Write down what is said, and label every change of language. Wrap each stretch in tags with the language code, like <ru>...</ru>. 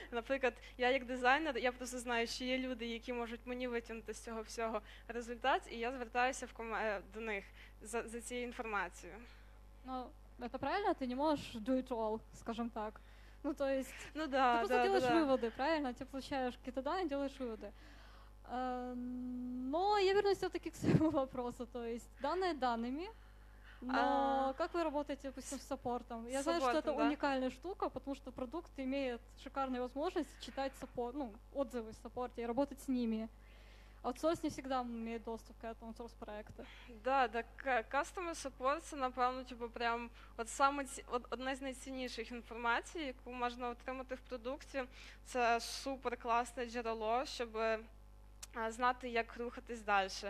<uk>Наприклад, я як дизайнер, я просто знаю, що є люди, які можуть мені витягнути з цього всього результат, і я звертаюся до них за цією інформацією. Ну, це правильно, ти не можеш</uk> <en>do it all,</en> <uk>скажімо так.</uk> <ru>Ну, то есть, ну, да,</ru> <uk>ти просто робиш виводи, правильно? Ти получаєш якісь дані, робиш виводи.</uk> <ru>Но я вернусь все-таки к своему вопросу, то есть данные данными, но как вы работаете, допустим, с саппортом? Я знаю, что это уникальная штука, потому что продукт имеет шикарную возможность читать саппорт, ну, отзывы в саппорте и работать с ними. Аутсорс не всегда имеет доступ к этому, аутсорс проекты. Да,</ru> <uk>так customer support, це, напевно, типу, прям от саме одна з найцінніших інформацій, яку можна отримати в продукті. Це супер класне джерело, щоб знати, як рухатись далі.</uk>